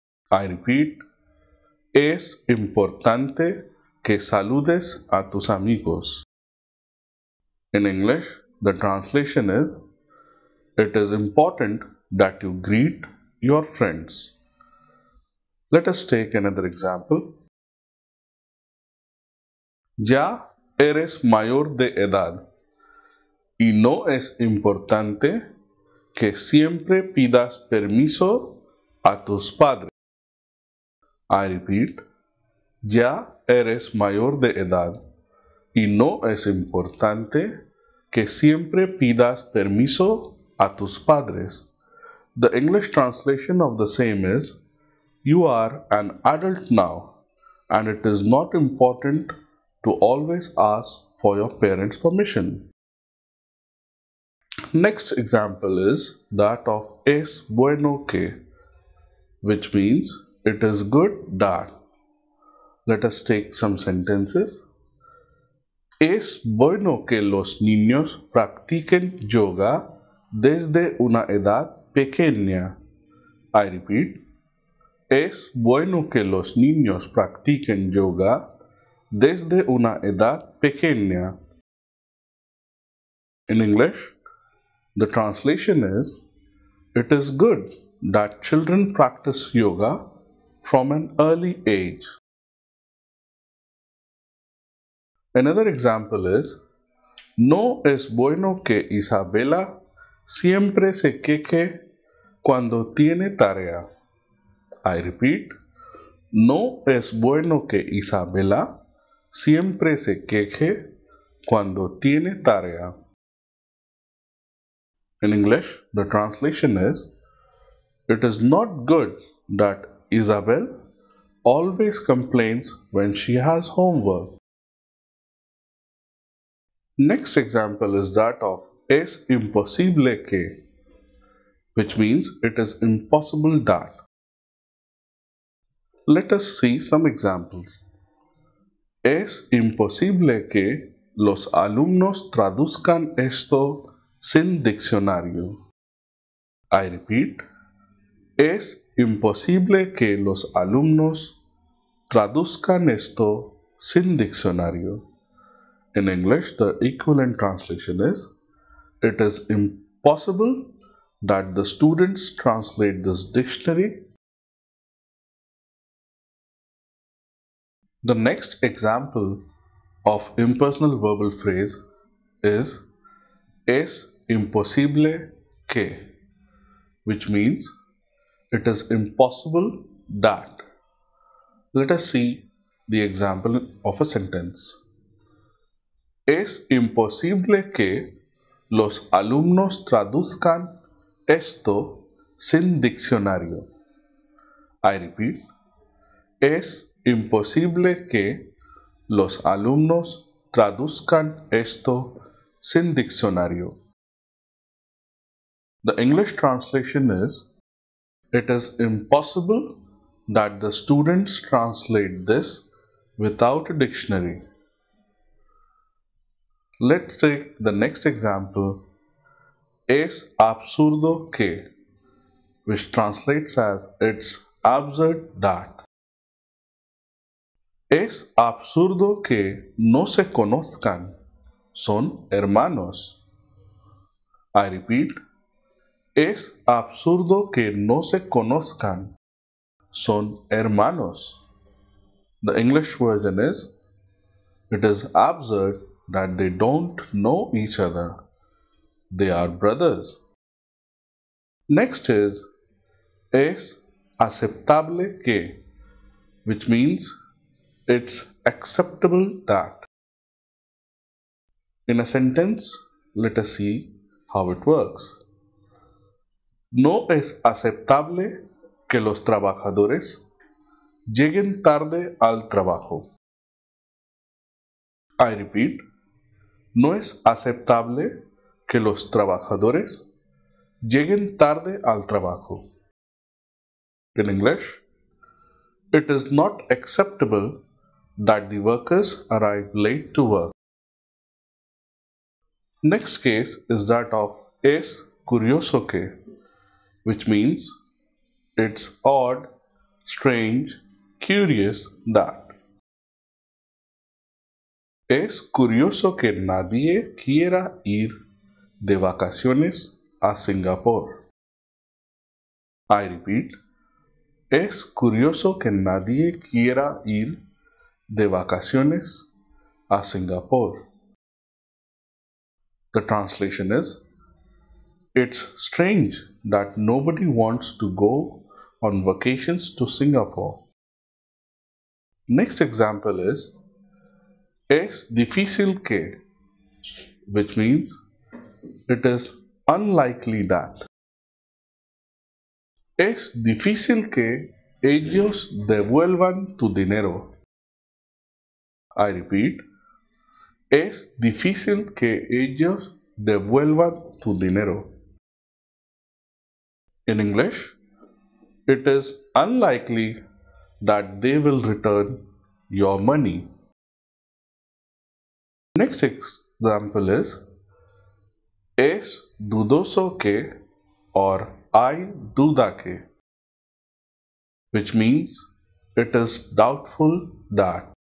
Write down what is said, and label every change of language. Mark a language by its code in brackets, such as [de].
[en] I repeat, [es] es importante que saludes a tus amigos. [en] In English, the translation is, it is important that you greet your friends. Let us take another example. [es] Ya eres mayor de edad y no es importante que siempre pidas permiso a tus padres. [en] I repeat, [es] ya eres mayor de edad y no es importante que siempre pidas permiso a tus padres. [en] The English translation of the same is, you are an adult now and it is not important to always ask for your parents' permission. Next example is that of [es] es bueno que, [en] which means it is good that. Let us take some sentences. [es] Es bueno que los niños practiquen yoga desde una edad pequeña. [en] I repeat. [es] Es bueno que los niños practiquen yoga desde una edad pequeña. [en] In English, the translation is, it is good that children practice yoga from an early age. Another example is, [es] no es bueno que Isabela siempre se queje cuando tiene tarea. [en] I repeat, [es] no es bueno que Isabela siempre se queje cuando tiene tarea. [en] In English, the translation is, it is not good that Isabel always complains when she has homework. Next example is that of [es] es imposible que, [en] which means it is impossible that. Let us see some examples. [es] Es imposible que los alumnos traduzcan esto sin diccionario. [en] I repeat, [es] es imposible que los alumnos traduzcan esto sin diccionario. [en] In English, the equivalent translation is, it is impossible that the students translate this dictionary. The next example of impersonal verbal phrase is [es] es imposible que, [en] which means it is impossible that. Let us see the example of a sentence. [es] Es imposible que los alumnos traduzcan esto sin diccionario. [en] I repeat, [es] es imposible que los alumnos traduzcan esto sin diccionario. [en] The English translation is, it is impossible that the students translate this without a dictionary. Let's take the next example, [es] es absurdo que, [en] which translates as, it's absurd that. [es] Es absurdo que no se conozcan, son hermanos. [en] I repeat, [es] es absurdo que no se conozcan, son hermanos. [en] The English version is, it is absurd that they don't know each other. They are brothers. Next is, [es] es aceptable que, [en] which means, it's acceptable that. In a sentence, let us see how it works. [es] No es aceptable que los trabajadores lleguen tarde al trabajo. [en] I repeat, [es] no es aceptable que los trabajadores lleguen tarde al trabajo. [en] In English, it is not acceptable that the workers arrive late to work. Next case is that of [es] es curioso que, [en] which means it's odd, strange, curious that. [es] Es curioso que nadie quiera ir de vacaciones a Singapur. [en] I repeat, [es] es curioso que nadie quiera ir de vacaciones a Singapur. [en] The translation is, it's strange that nobody wants to go on vacations to Singapore. Next example is, [es] es difícil que, [en] which means it is unlikely that. [es] Es difícil que ellos devuelvan tu dinero. [en] I repeat, [es] es difícil que ellos devuelvan tu dinero. [en] In English, it is unlikely that they will return your money. Next example is, [es] es dudoso que [en] or [es] hay duda que, [en] which means it is doubtful that.